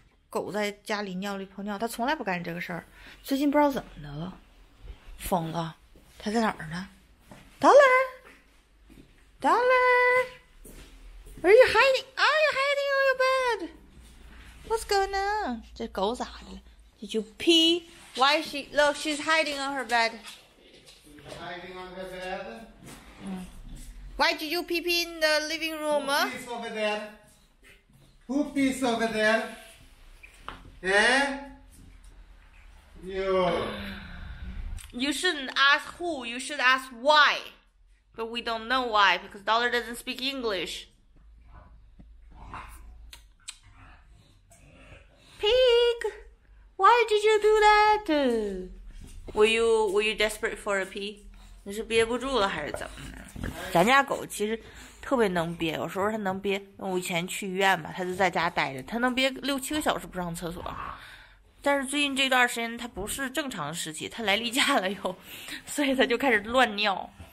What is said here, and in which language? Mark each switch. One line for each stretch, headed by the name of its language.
Chinese: 狗在家里尿了一泡尿，她从来不干这个事儿。最近不知道怎么的了，疯了。她在哪儿呢 ？Dollar.
English: Dollar. Where are you hiding? Are you hiding on your bed? What's going on?
Chinese: 这狗咋的了？
English: Did you pee? Why is she? Look, she's hiding on her bed. Hiding on her bed?、 Mm. Why did you pee pee in the living room? Who pees over there? Who pees over there? Eh? You. You shouldn't ask who, you should ask why. But we don't know why because Dollar doesn't speak English. Pig! Why did you do that? Were you desperate for a pee?
Chinese: 你是憋不住了还是怎么的？咱家狗其实特别能憋，有时候它能憋。我以前去医院嘛，它就在家待着，它能憋6-7个小时不上厕所。但是最近这段时间它不是正常时期，它来例假了又，所以它就开始乱尿。